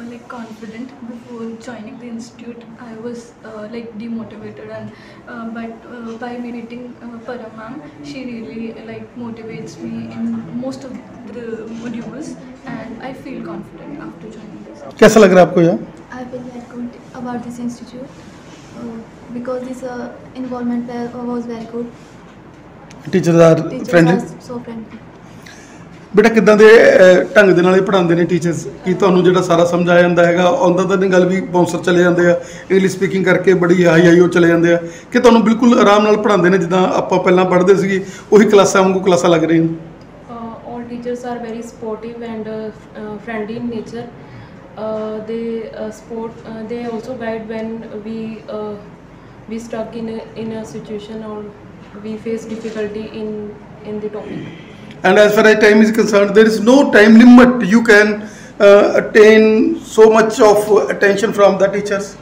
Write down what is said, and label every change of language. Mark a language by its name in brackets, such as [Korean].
[English] Confident before joining the institute, I was like demotivated, and but by meeting Param ma'am, she really like motivates me in most of the modules, and I feel confident after joining this. [Hindi] Kaisa lag raha aapko ya? [English] I feel very good about this institute because this involvement was very good. Teachers are so friendly. [Punjabi] ਬੇਟਾ ਕਿੱਦਾਂ ਦੇ ਢੰਗ ਦੇ ਨਾਲ ਇਹ ਪੜ੍ਹਾਉਂਦੇ ਨੇ teachers? ਕੀ ਤੁਹਾਨੂੰ ਜਿਹੜਾ ਸਾਰਾ ਸਮਝਾਇਆ ਜਾਂਦਾ ਹੈਗਾ ਉਹਦਾ ਤਾਂ ਨਹੀਂ ਗੱਲ ਵੀ ਬਾਉਂਸਰ ਚਲੇ ਜਾਂਦੇ ਆ, ਇੰਗਲਿਸ਼ ਸਪੀਕਿੰਗ ਕਰਕੇ ਬੜੀ ਆਈ ਆਈ ਉਹ ਚਲੇ ਜਾਂਦੇ ਆ, ਕਿ ਤੁਹਾਨੂੰ ਬਿਲਕੁਲ ਆਰਾਮ ਨਾਲ ਪੜ੍ਹਾਉਂਦੇ ਨੇ ਜਿੱਦਾਂ ਆਪਾਂ ਪਹਿਲਾਂ ਪੜ੍ਹਦੇ ਸੀਗੇ ਉਹੀ ਕਲਾਸਾਂ ਵਾਂਗੂ ਕਲਾਸਾਂ ਲੱਗ ਰਹੀਆਂ? [English] All teachers are very supportive and friendly in nature, they support they also guide when we stuck in a situation or we face difficulty in the topic. And as far as time is concerned, there is no time limit. You can attain so much of attention from the teachers.